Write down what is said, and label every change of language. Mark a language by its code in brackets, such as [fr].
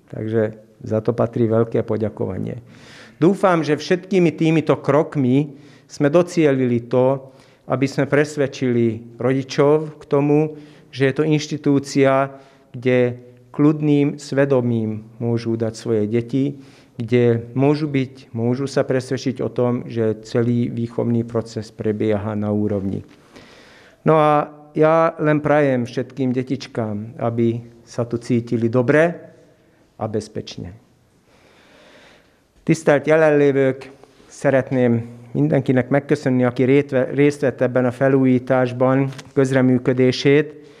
[sk] Takže za to patrí veľké poďakovanie. Dúfam, že všetkými týmito krokmi sme docielili to, aby sme presvedčili rodičov k tomu, že je to inštitúcia, kde kľudným svedomím môžu dať svoje deti, kde môžu sa presvedčiť o tom, že celý výchovný proces prebieha na úrovni. No a ja len prajem všetkým detičkám, aby sa tu cítili dobre a bezpečne. [hu] Tisztelt jelenlévők, szeretném mindenkinek megköszönni, aki részt vett ebben a felújításban közreműködését.